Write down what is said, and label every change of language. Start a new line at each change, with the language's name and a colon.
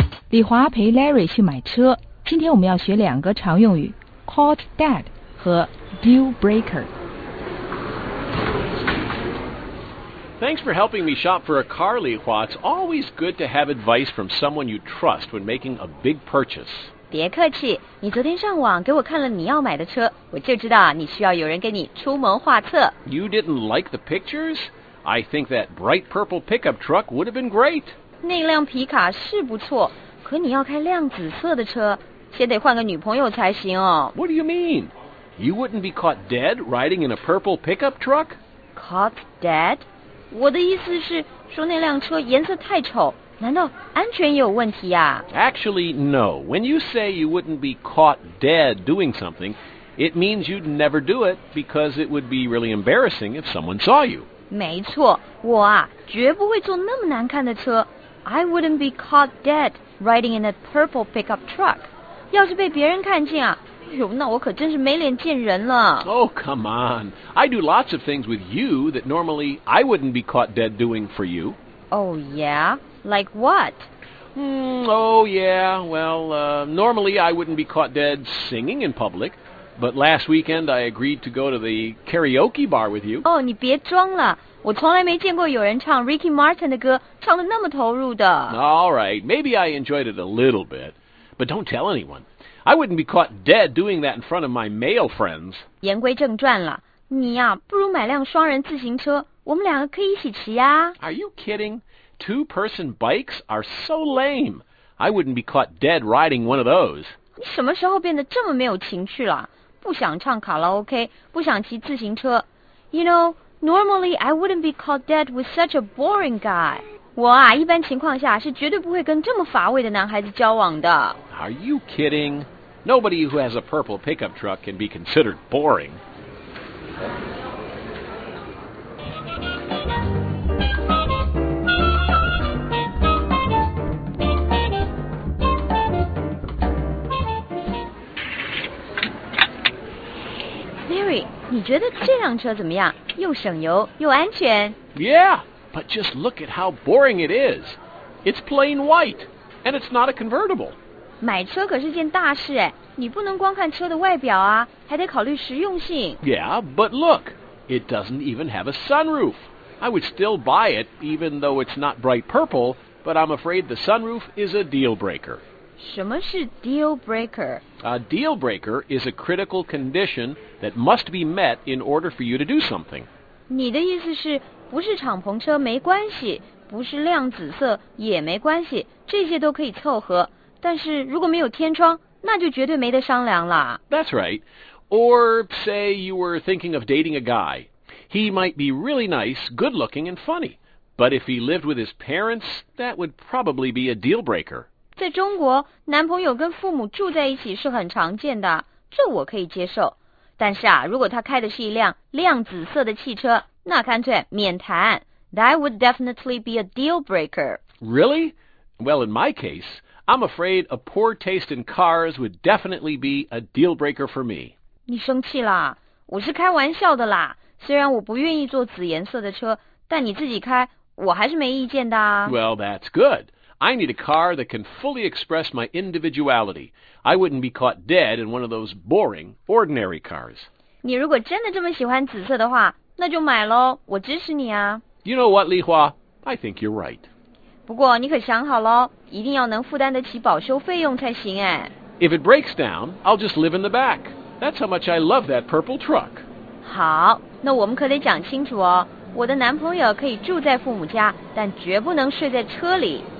Chinese: 李华陪 Larry 去买车。今天我们要学两个常用语 ：caught dead 和 deal breaker。
English: Thanks for helping me shop for a car, Li Hua. It's always good to have advice from someone you trust when making a big purchase.
Chinese: 别客气，你昨天上网给我看了你要买的车，我就知道你需要有人给你出谋划策。
English: You didn't like the pictures? I think that bright purple pickup truck would have been great.
Chinese: 那辆皮卡是不错，可你要开亮紫色的车，先得换个女朋友才行哦。
English: What do you mean? You wouldn't be caught dead riding in a purple pickup truck? Caught dead?
Chinese: 我的意思是说那辆车颜色太丑，难道安全也有问题啊？
English: Actually, no. When you say you wouldn't be caught dead doing something, it means you'd never do it because it would be really embarrassing if someone saw you.
Chinese: 没错，我啊，绝不会坐那么难看的车。
English: I wouldn't be caught dead riding in a purple pickup truck.
Chinese: 要是被别人看见啊，那我可真是没脸见人了。
English: Oh, come on. I do lots of things with you that normally I wouldn't be caught dead doing for you. Oh, yeah? Like what? Normally I wouldn't be caught dead singing in public. But last weekend I agreed to go to the karaoke bar with you.
Chinese: Oh, 你别装了。我从来没见过有人唱 Ricky Martin 的歌唱得那么投入的。
English: All right, maybe I enjoyed it a little bit. But don't tell anyone. I wouldn't be caught dead doing that in front of my male friends.
Chinese: 言归正传了，你呀，不如买辆双人自行车，我们两个可以一起骑呀。
English: Are you kidding? Two-person bikes are so lame. I wouldn't be caught dead riding one of those.
Chinese: 你什么时候变得这么没有情趣了？不想唱卡拉 OK， 不想骑自行车。
English: You know, normally I wouldn't be caught dead with such a boring guy.
Chinese: 我啊，一般情况下是绝对不会跟这么乏味的男孩子交往的。
English: Are you kidding? Nobody who has a purple pickup truck can be considered boring.
Chinese: Larry, 你觉得这辆车怎么样？又省油又安全。
English: Yeah. But just look at how boring it is. It's plain white, and it's not a convertible.
Chinese: 买车可是件大事哎，你不能光看车的外表啊，还得考虑实用性。
English: Yeah, but look, it doesn't even have a sunroof. I would still buy it, even though it's not bright purple, but I'm afraid the sunroof is a deal breaker.
Chinese: 什么是 deal breaker?
English: A deal breaker is a critical condition that must be met in order for you to do something.
Chinese: 你的意思是不是敞篷车没关系，不是亮紫色也没关系，这些都可以凑合。但是如果没有天窗，那就绝对没得商量了。
English: That's right. Or say you were thinking of dating a guy. He might be really nice, good looking, and funny. But if he lived with his parents, that would probably be a deal breaker.
Chinese: 在中国，男朋友跟父母住在一起是很常见的，这我可以接受。但是啊，如果他开的是一辆亮紫色的汽车，那干脆免谈。
English: That would definitely be a deal breaker. Really? Well, in my case, I'm afraid a poor taste in cars would definitely be a deal breaker for me.
Chinese: 你生气啦？我是开玩笑的啦。虽然我不愿意坐紫颜色的车，但你自己开，我还是没意见的啊。
English: Well, that's good. I need a car that can fully express my individuality. I wouldn't be caught dead in one of those boring, ordinary cars.
Chinese: 你如果真的这么喜欢紫色的话，那就买咯，我支持你啊。
English: You know what, Li Hua? I think you're right.
Chinese: 不过你可想好咯，一定要能负担得起保修费用才行哎。
English: If it breaks down, I'll just live in the back. That's how much I love that purple truck.
Chinese: 好，那我们可得讲清楚哦。我的男朋友可以住在父母家，但绝不能睡在车里。